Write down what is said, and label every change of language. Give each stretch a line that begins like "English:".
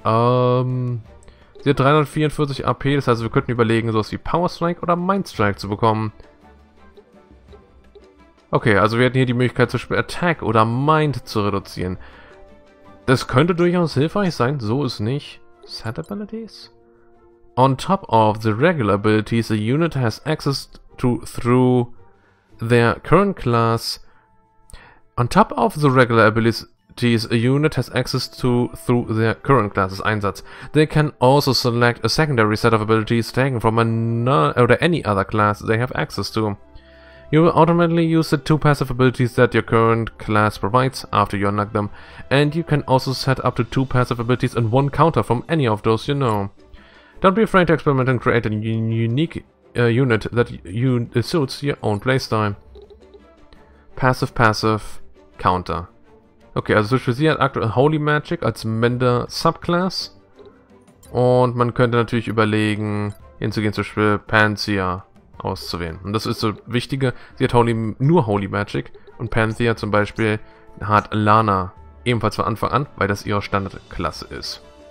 German: Sie hat 344 AP, das heißt, wir könnten überlegen, sowas wie Power Strike oder Mind Strike zu bekommen. Okay, also wir hätten hier die Möglichkeit, zum Beispiel Attack oder Mind zu reduzieren. Das könnte durchaus hilfreich sein, so ist nicht.
English: Set Abilities? On top of the regular abilities, a unit has access to through their current class. On top of the regular abilities, a unit has access to through their current class's
German: Einsatz.
English: They can also select a secondary set of abilities taken from any other class they have access to. You will automatically use the 2 passive abilities that your current class provides after you unlock them, and you can also set up to 2 passive abilities and 1 counter from any of those you know. Don't be afraid to experiment and create a unique unit that suits your own playstyle. Passive, counter.
German: Okay, also sie hat aktuell Holy Magic als Mender Subclass und man könnte natürlich überlegen, hinzugehen zum Beispiel Panzer auszuwählen. Und das ist so wichtige, sie hat nur Holy Magic und Panthea zum Beispiel hat Lana ebenfalls von Anfang an, weil das ihre Standardklasse ist.